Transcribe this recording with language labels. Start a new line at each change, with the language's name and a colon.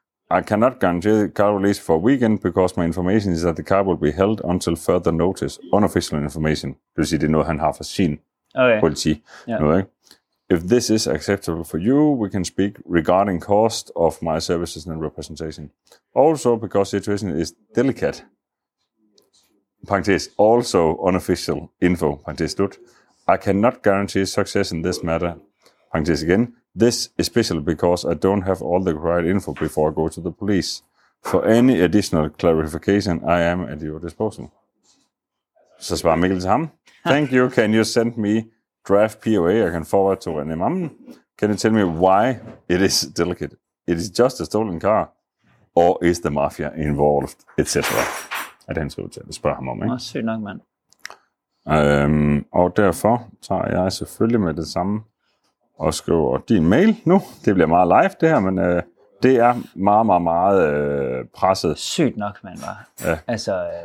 English: I cannot guarantee the car release for a weekend, because my information is that the car will be held until further notice. Unofficial information.
Danish: Det vil sige, det er noget, han har for sin politi.
English: Yeah. If this is acceptable for you, we can speak regarding cost of my services and representation. Also, because the situation is delicate. Parenthes, also unofficial info.
Danish: Parenthes, slut.
English: I cannot guarantee success in this matter. Parenthes again. This especially because I don't have all the required info before I go to the police. For any additional clarification, I am at your disposal.
Danish: Så svarer Mikkel til ham.
English: Thank you. Can you send me draft POA? I can forward to René Mammen. Can you tell me why it is delicate? It is just a stolen car. Or is the mafia involved, etc.?
Danish: At han skriver til, at spørge ham om, ikke? Sygt nok, mand. Og derfor tager jeg selvfølgelig med det samme og skriver din mail nu. Det bliver meget live, det her, men det er meget, meget, meget presset. Sygt nok, mand, var. Ja. Altså,